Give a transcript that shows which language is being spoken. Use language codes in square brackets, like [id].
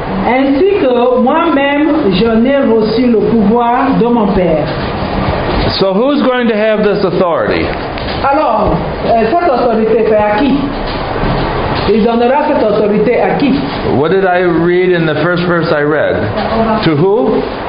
[fr] Ainsi que moi-même, j'en ai reçu le pouvoir de mon Père. [en] So who's going to have this authority? [fr] Alors, cette autorité, c'est à qui? Il donnera cette autorité à qui? [en] What did I read in the first verse I read? To who?